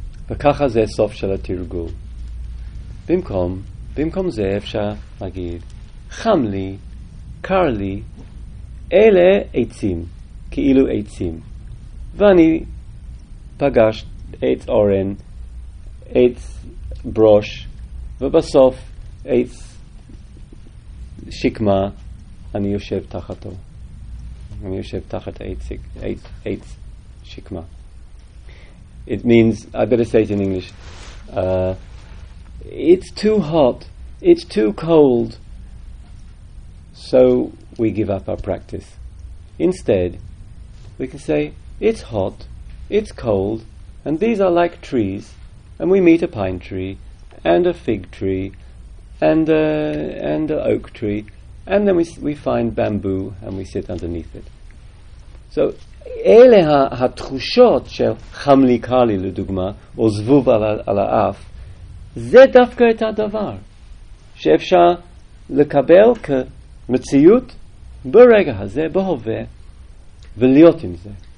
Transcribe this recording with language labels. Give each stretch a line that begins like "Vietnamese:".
Hebrew: וככה זה סוף של התרגול. במקום זה אפשר להגיד, חם לי, קר לי, אלה עצים, כאילו עצים. ואני פגש עץ אורן, עץ ברוש, ובסוף עץ שקמה, אני יושב תחתו. אני יושב תחת עץ שקמה.
English: It means, I better say it in English, it's too hot, it's too cold, so we give up our practice. Instead, we can say, it's hot, it's cold, and these are like trees, and we meet a pine tree, and a fig tree, and an oak tree, and then we find bamboo, and we sit underneath it.
Hebrew: So, אלה התחושות של חם לי קר לי לדוגמה, או זבוב על האף, זה דווקא את הדבר שאפשר לקבל כמציאות ברגע הזה, בהווה, ולהיות עם זה.